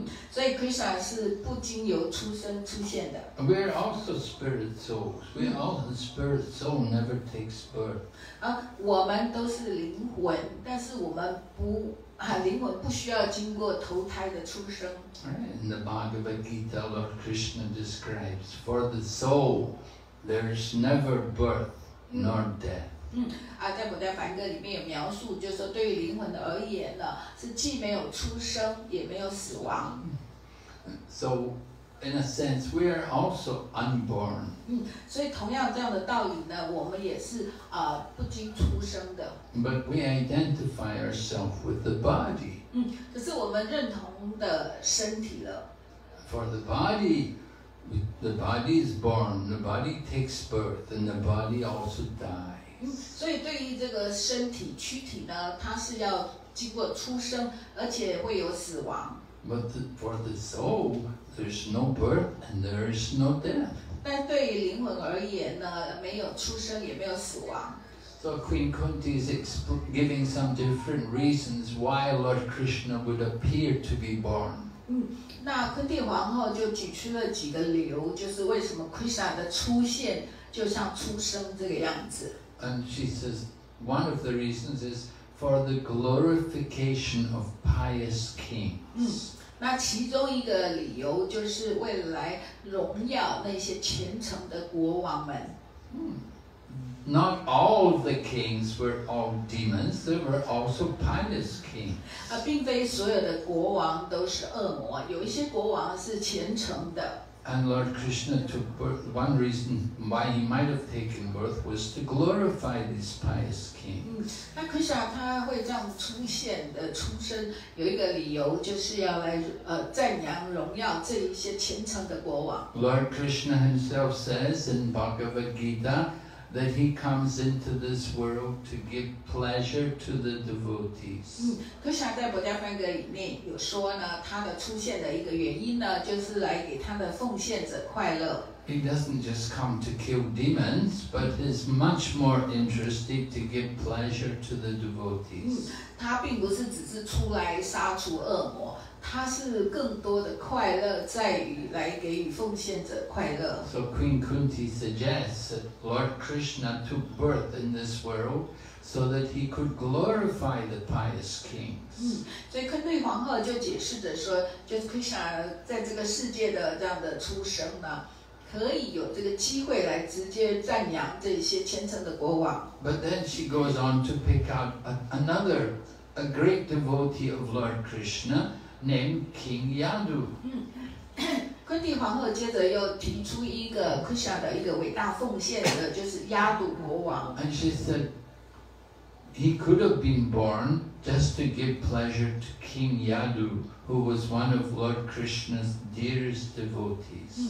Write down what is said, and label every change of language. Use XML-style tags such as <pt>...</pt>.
<zh>所以 Krishna是不经由出生出现的。</zh> <en>We're also spirit souls. We all the spirit soul never takes birth.</en> <zh>我们都是灵魂，但是我们不需要经过投胎的出生。</zh> <en>Right. In the Bhagavad Gita, Lord Krishna describes, for the soul, there is never birth nor death.</en> <zh>在《牡丹梵歌》里面有描述，就是说对于灵魂的而言呢，是既没有出生，也没有死亡。</zh> <en>So in a sense, we are also unborn.</en> <zh>嗯，所以同样这样的道理呢，我们也是啊、不经出生的。</zh> <en>But we identify ourselves with the body.</en> <zh>嗯，可是我们认同的身体了。</zh> <en>For the body. The body is born, the body takes birth, and the body also dies.</en> <zh>所以对于这个身体躯体呢，它是要经过出生，而且会有死亡。</zh> <en>But for the soul, there's no birth and there is no death.</en> <zh>但对于灵魂而言呢，没有出生，也没有死亡。</zh> <en>So Queen Kunti is giving some different reasons why Lord Krishna would appear to be born.</en> <zh>嗯、那昆蒂皇后就举出了几个理由，就是为什么 Krishna 的出现就像出生这个样子。</zh> <en>And she says one of the reasons is for the glorification of pious kings.、</en> <zh>嗯、那其中一个理由就是为了来荣耀那些虔诚的国王们。</zh> <en>Not all of the kings were all demons. There were also pious kings.</en> <zh>啊，并非所有的国王都是恶魔，有一些国王是虔诚的。</zh> <en>And Lord Krishna took birth. One reason why he might have taken birth was to glorify these pious kings.</en> <zh>嗯，那 Krishna 他会这样出现的出生，有一个理由就是要来赞扬荣耀这一些虔诚的国王。</zh> <en>Lord Krishna himself says in Bhagavad Gita. That he comes into this world to give pleasure to the devotees.</en> <zh>嗯，可是在《博迦梵歌》里面有说呢，他的出现的一个原因呢，就是来给他的奉献者快乐。</zh> <en>He doesn't just come to kill demons, but is much more interested to give pleasure to the devotees.</en> <zh>嗯，他并不是只是出来杀除恶魔。他是更多的快乐在于来给予奉献者快乐。</zh> <en>So Queen Kunti suggests that Lord Krishna took birth in this world so that he could glorify the pious kings.、</en> <zh>嗯、所以昆蒂皇后就解释着说，就是 Krishna 在这个世界的这样的出生呢，可以有这个机会来直接赞扬这些虔诚的国王。</zh> <en>But then she goes on to pick out another great devotee of Lord Krishna. Named King Yadu.</en> <zh>嗯，昆蒂皇后接着又提出一个 Krishna 的一个伟大奉献者，就是亚杜国王。</zh> <en>And she said he could have been born just to give pleasure to King Yadu, who was one of Lord Krishna's dearest devotees.</en>